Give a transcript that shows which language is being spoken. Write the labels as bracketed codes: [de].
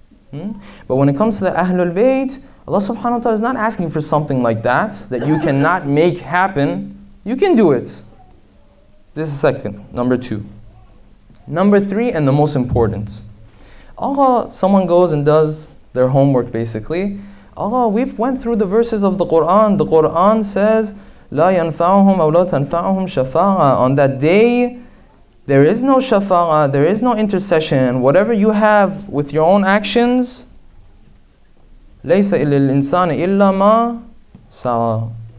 [en] But when it comes to the Ahlul Bayt, Allah subhanahu wa ta'ala is not asking for something like that, that you cannot make happen. You can do it. This is second, number two. Number three, and the most important. Allah, someone goes and does their homework basically. Allah, we've went through the verses of the Quran. The Quran says, [ar] لا ينفعهم أو لا تنفعهم شفاعة. [en] On that day, there is no شفاعة, there is no intercession. Whatever you have with your own actions, [ar] ليس إلا الإنسان إلا ما سعى.